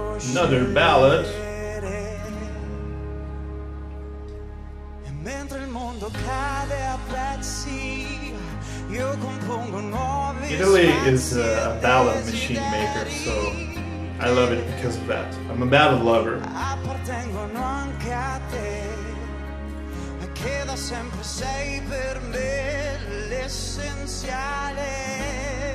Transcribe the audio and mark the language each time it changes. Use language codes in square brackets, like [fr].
[en] Another ballad. [it] E mentre il mondo cade a pezzi, io compongo nuove. [en] Italy is a ballad machine maker, so I love it because of that. I'm a ballad lover. [it] Appartengono anche a te, a che da sempre sei per me l'essenziale.